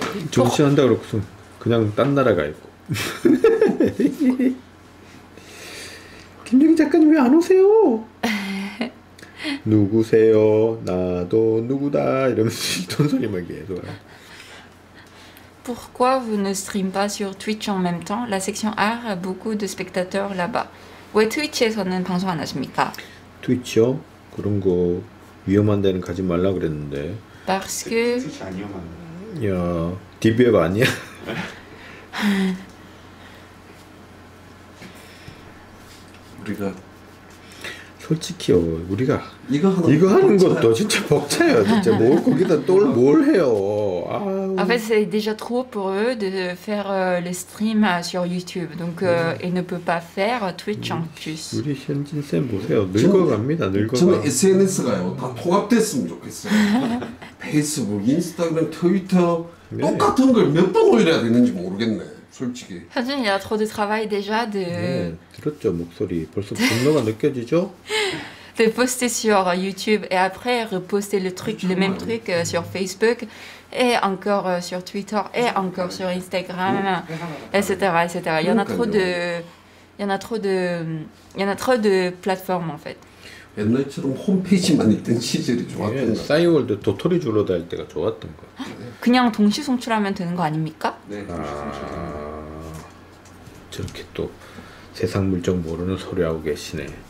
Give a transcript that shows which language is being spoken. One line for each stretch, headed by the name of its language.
Korean: 정신한다 그렇고 그냥 딴 나라 가 있고. 김정희 작가님 왜 안 오세요? 누구세요? 나도 누구다 이러면서 돈 소리만 계속.
French: pourquoi vous ne stream pas sur Twitch en même temps? La section art a beaucoup de spectateurs là-bas.
Korean: 왜 트위치에서는 방송 안 하십니까? 트위치요? 그런 거 위험한 데는 가지 말라 그랬는데.
French: Parce que...
Korean: 트위치 안 위험한데. 야, 디비웹 아니야? 우리가 솔직히 우리가 이거 하는 것도 벅차요. 진짜 벅차요. 진짜 뭘 거기다 또 뭘 해요. 아유.
French: En fait, c'est déjà trop pour eux de faire les streams sur YouTube. Donc, ils ne peuvent pas faire Twitch en plus.
Korean: 우리 현진 쌤 보세요. 늙어갑니다. 늙어가. 저는 SNS가요. 다 통합됐으면 좋겠어요. 페이스북, 인스타그램, 트위터 똑같은 걸 몇 번 올려야 되는지 모르겠네. 솔직히 현진이 야
French: trop de travail déjà de
Korean: 네, 들었죠 목소리 벌써 분노가 느껴지죠?
French: De poster sur YouTube et après reposter le truc le même truc sur Facebook et encore sur Twitter et encore sur Instagram etc etc il y en a trop de plateformes en fait.
Korean: 옛날처럼 홈페이지만 있던 시절이 좋았던 거. 싸이월드 도토리 주로 다닐 때가 좋았던 거. 그냥 동시 송출하면 되는 거 아닙니까? 네. 아, 저렇게 또 세상 물정 모르는 소리 하고 계시네.